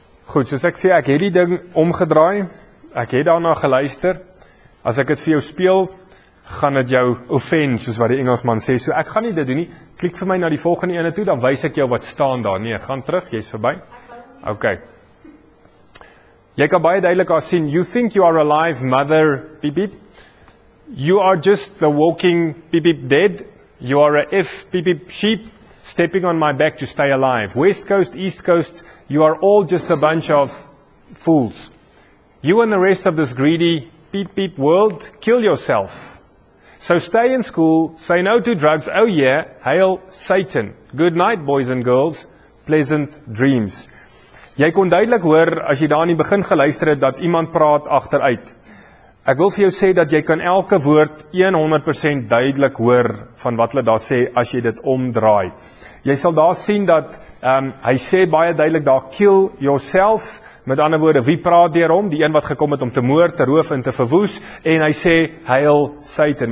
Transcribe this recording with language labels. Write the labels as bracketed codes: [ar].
[af] Goed, soos ek sê, ek het die ding omgedraai, ek het daarna geluister, as ek het vir jou speel, gaan het jou offend, soos wat die Engelsman sê, so ek gaan nie dit doen nie, klik vir my na die volgende ene toe, dan wys ek jou wat staan daar, nee, gaan terug, jy is verby, ok. Jy kan baie duidelik al sien, [en] you think you are alive, mother, beep beep, you are just the walking, beep beep, dead, you are a if, beep beep, sheep, stepping on my back to stay alive, west coast, east coast, you are all just a bunch of fools, you and the rest of this greedy, beep beep world, kill yourself, so stay in school, say no to drugs, oh yeah, hail Satan, good night boys and girls, pleasant dreams. [af] Jy kon duidelik hoor, as jy daar in die begin geluister het, dat iemand praat agteruit. Ek wil vir jou sê, dat jy kan elke woord 100% duidelik hoor, van wat hulle daar sê, as jy dit omdraai. Jy sal daar sien, dat hy sê baie duidelik daar, [en] kill yourself, [af] met ander woorde, wie praat hierom? Die een wat gekom het om te moord, te roof en te verwoes, en hy sê, [en] hail Satan.